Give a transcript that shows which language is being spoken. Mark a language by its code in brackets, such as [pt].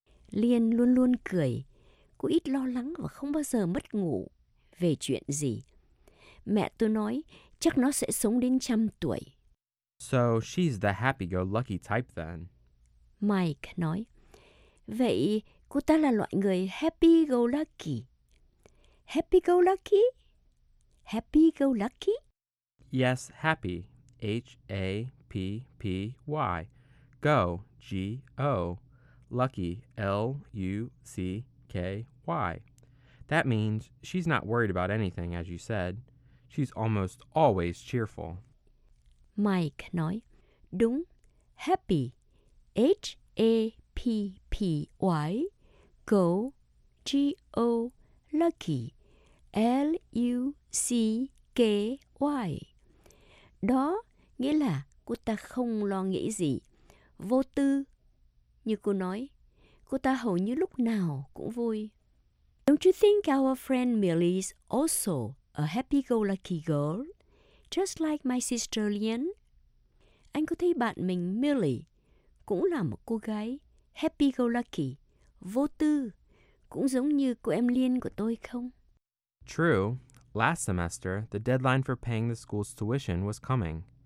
[vi] Liên luôn luôn cười. Cô ít lo lắng và không bao giờ mất ngủ về chuyện gì. Mẹ tôi nói chắc nó sẽ sống đến 100 tuổi. [en] So she's the happy-go-lucky type then. [vi] Mike nói, vậy cô ta là loại người happy-go-lucky. [en] Happy-go-lucky? Happy-go-lucky? Yes, happy. H-A-P-P-Y. Go, G-O. Lucky, L-U-C-K-Y. That means she's not worried about anything, as you said. She's almost always cheerful. [vi] Mike nói, đúng, happy. HAPPY Go GO Lucky LUCKY. Đó nghĩa là cô ta không lo nghĩ gì, vô tư. Như cô nói, cô ta hầu như lúc nào cũng vui. [en] Don't you think our friend Millie is also a happy-go-lucky girl, just like my sister Lien? [vi] Anh có thấy bạn mình Millie cũng là một cô gái happy-go-lucky, vô tư, cũng giống như cô em Lien của tôi không? [en] True. Last semester, the deadline for paying the school's tuition was coming.